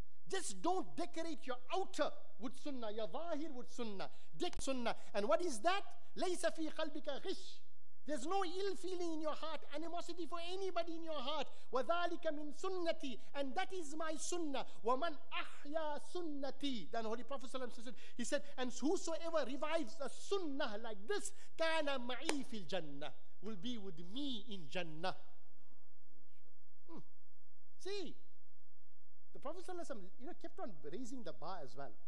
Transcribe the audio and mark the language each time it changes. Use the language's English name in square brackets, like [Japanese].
[English] Just don't decorate your outer with sunnah, your zahir with sunnah. Dek sunnah. And what is that? [Arabic] Laysa fi qalbika ghish. [English] There's no ill feeling in your heart, animosity for anybody in your heart. [Arabic] وَذَٰلِكَ مِنْ sunnati, [English] and that is my sunnah. [Arabic] وَمَنْ أَحْيَى sunnati. [English] Then Holy Prophet ﷺ said, he said, and whosoever revives a sunnah like this, [Arabic] كَانَ مَعِي فِي الْجَنَّةِ, [English] will be with me in Jannah. See, the Prophet ﷺ, you know, kept on raising the bar as well.